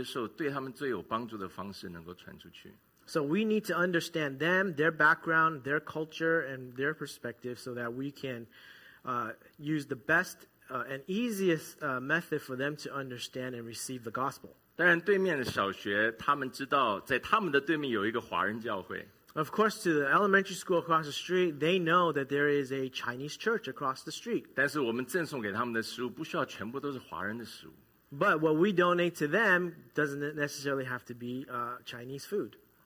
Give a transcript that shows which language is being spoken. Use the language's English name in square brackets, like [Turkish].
[Chinese] 所以我们要知道他们的生活，他们的文化，他们的需要，他们的背景，我们才能够把主耶稣基督的福音以他们最能够接受，对他们最有帮助的方式能够传出去。 [English] So we need to understand them, their background, their culture, and their perspective so that we can use the best and easiest method for them to understand and receive the gospel. [Chinese] 当然对面的小学，他们知道在他们的对面有一个华人教会。 [English] Of course, to the elementary school across the street, they know that there is a Chinese church across the street. But what we donate to them doesn't necessarily have to be Chinese food.